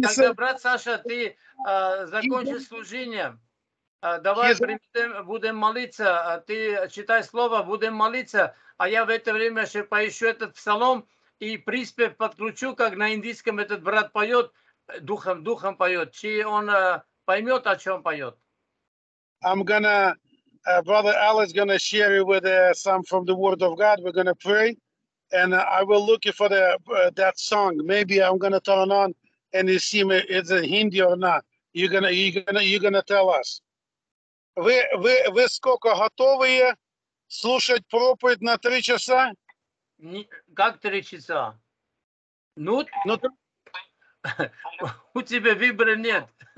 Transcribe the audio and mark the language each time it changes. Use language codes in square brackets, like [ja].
[ru] Тогда, брат Саша, ты закончи служение. Давай будем молиться. Ты читай слово, будем молиться. А я в это время еще поищу этот псалом. И приспев подключу, как на индийском этот брат поет, духом поет. Чи он поймет, о чем поет? [en] I'm gonna, brother Alex gonna share it with some from the Word of God. We're gonna pray, and I will look for the that song. Maybe I'm gonna turn on and you see me. Is it Hindi or not? You're gonna tell us. [ru] Вы сколько готовы слушать проповедь на 3 часа? Как 3 часа? Ну у тебя выбора нет.